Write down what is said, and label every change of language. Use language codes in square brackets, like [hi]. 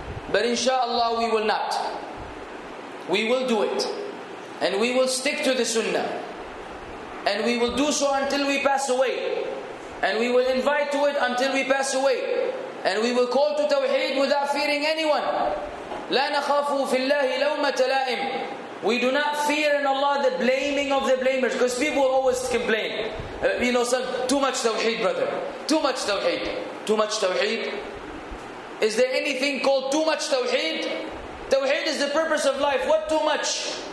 [en] But inshallah, we will not. We will do it. And we will stick to the sunnah. And we will do so until we pass away. And we will invite to it until we pass away. And we will call to tawheed without fearing anyone. [ar] لا نخافوا في الله لومة لائم. [en] We do not fear in Allah the blaming of the blamers. Because people always complain. You know, some, too much tawheed, brother. Too much tawheed. Too much tawheed. Is there anything called too much tawheed? Tawheed is the purpose of life. What too much?